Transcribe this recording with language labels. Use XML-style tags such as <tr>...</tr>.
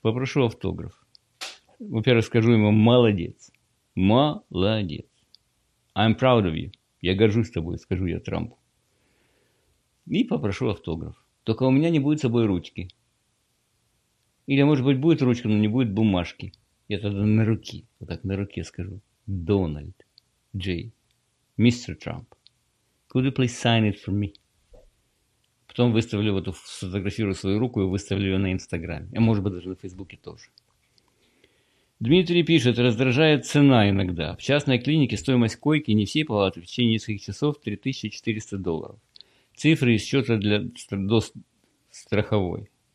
<ru>Попрошу автограф. Во-первых, скажу ему, молодец, молодец.</ru> <en>I'm proud of you.</en> <ru>Я горжусь тобой, скажу я Трампу. И попрошу автограф. Только у меня не будет с собой ручки. Или, может быть, будет ручка, но не будет бумажки. Я тогда на руки, вот так на руке скажу.</ru> <en>Дональд Джей, мистер Трамп, could you please sign it for me?</en> <ru>Потом выставлю вот эту, сфотографирую свою руку и выставлю ее на Инстаграме. А может быть, даже на Фейсбуке тоже. Дмитрий пишет, раздражает цена иногда. В частной клинике стоимость койки не всей палаты в течение нескольких часов 3400 долларов. Цифры из счета до страховой.</ru>